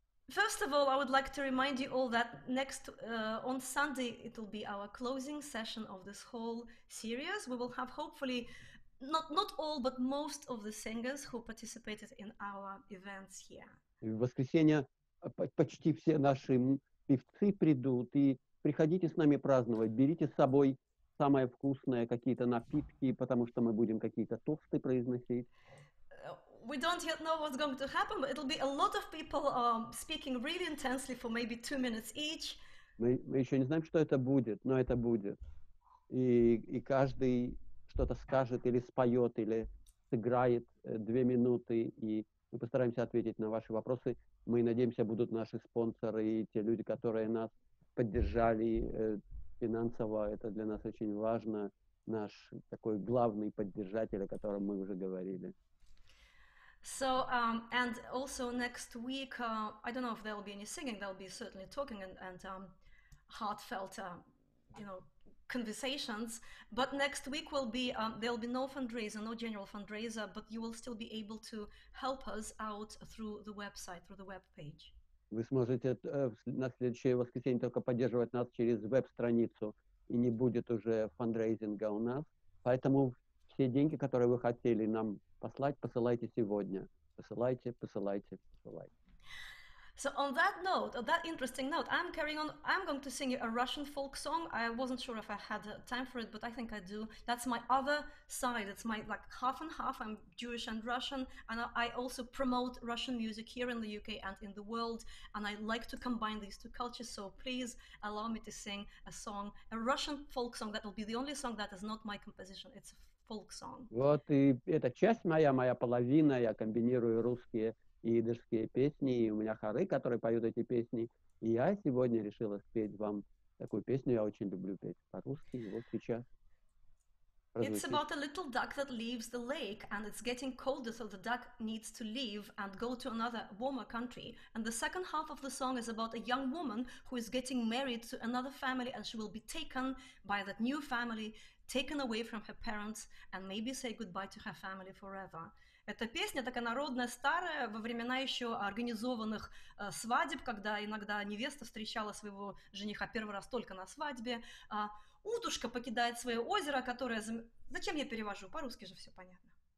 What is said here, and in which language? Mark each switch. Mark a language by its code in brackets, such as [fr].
[en] First of all, I would like to remind you all that next on Sunday it will be our closing session of this whole series. We will have hopefully not all, but most of the singers who participated in our events here. [ru] В воскресенье почти все наши певцы придут, и приходите с нами праздновать. Берите с собой самое вкусное, какие-то напитки, потому что мы будем какие-то тосты произносить. [en] We don't yet know what's going to happen, but it'll be a lot of people speaking really intensely for maybe 2 minutes each. [ru] Мы еще не знаем, что это будет, но это будет. И каждый что-то скажет или споет, или сыграет 2 минуты, и мы постараемся ответить на ваши вопросы. Мы надеемся, будут наши спонсоры и те люди, которые нас поддержали финансово. Это для нас очень важно, наш такой главный поддержатель, о котором мы уже говорили. [en] So, and also next week, I don't know if there will be any singing, there will be certainly talking and heartfelt, you know, conversations, but next week will be, there will be no fundraiser, no general fundraiser, but you will still be able to help us out through the website, through the webpage. [ru] Вы сможете на следующее воскресенье только поддерживать нас через веб-страницу, и не будет уже фандрейзинга у нас, поэтому все деньги, которые вы хотели нам послать, посылайте сегодня. Посылайте, посылайте, посылайте. [en] So on that note, on that interesting note, I'm carrying on. I'm going to sing you a Russian folk song. I wasn't sure if I had time for it, but I think I do. That's my other side. It's my like half and half. I'm Jewish and Russian, and I also promote Russian music here in the UK and in the world. And I like to combine these two cultures. So please allow me to sing a song, a Russian folk song. That will be the only song that is not my composition. It's a folk song. [ru] Вот и эта часть моя половина, я комбинирую русские и идышские песни, и у меня хоры, которые поют эти песни, и я сегодня решила спеть вам такую песню, я очень люблю петь по-русски, вот сейчас. [en] Разве it's about a little duck that leaves the lake, and it's getting colder, so the duck needs to leave and go to another warmer country. And the second half of the song is about a young woman who is getting married to another family, and she will be taken by that new family, taken away from her parents, and maybe say goodbye to her family forever. [ru] Эта песня такая народная, старая, во времена еще организованных свадеб, когда иногда невеста встречала своего жениха первый раз только на свадьбе. Утушка покидает свое озеро, которое... Зачем я перевожу? По-русски же все понятно.